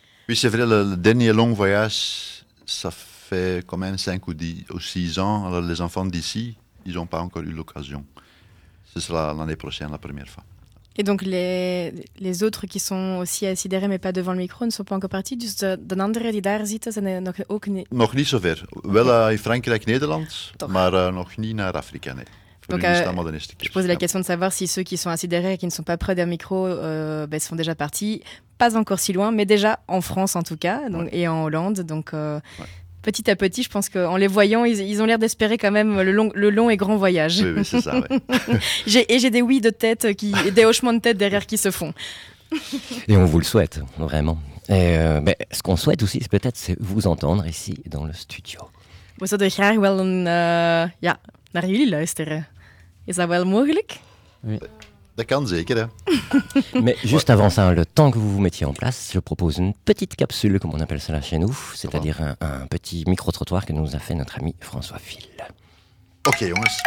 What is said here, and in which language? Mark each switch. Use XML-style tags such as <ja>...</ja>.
<fr>Oui, c'est vrai, le dernier long voyage, ça fait quand même 5 ou 6 ans. Alors, les enfants d'ici, ils n'ont pas encore eu l'occasion. Ce sera l'année prochaine, la première fois. Et donc les autres qui sont aussi assis derrière mais pas devant le micro ne sont pas encore partis.</fr> <nl>Dus de andere die daar zitten zijn nog ook niet. Nog niet zover. Wel in Frankrijk, Nederland, maar nog niet naar Afrika. Nee.</nl> <fr>Donc je pose la question de savoir si ceux qui sont assis derrière et qui ne sont pas près d'un micro sont déjà partis. Pas encore si loin, mais déjà en France en tout cas, donc ouais. Et en Hollande. Donc ouais. Petit à petit, je pense qu'en les voyant, ils ont l'air d'espérer quand même le long et grand voyage. Oui, c'est ça. Ouais. j'ai des oui de tête, des hochements de tête derrière qui se font. Et on vous le souhaite, vraiment. Et ce qu'on souhaite aussi, c'est vous entendre ici dans le studio.</fr> <nl>We zouden graag wel naar jullie luisteren. Is dat wel mogelijk?</nl> <fr>Oui.</fr> <nl>Dat kan zeker, hè.</nl> <fr>Mais juste avant ça, le temps que vous vous mettiez en place, je propose une petite capsule, comme on appelle ça là chez nous, c'est-à-dire un petit micro-trottoir que nous a fait notre ami François Ville. Ok, on va.</fr>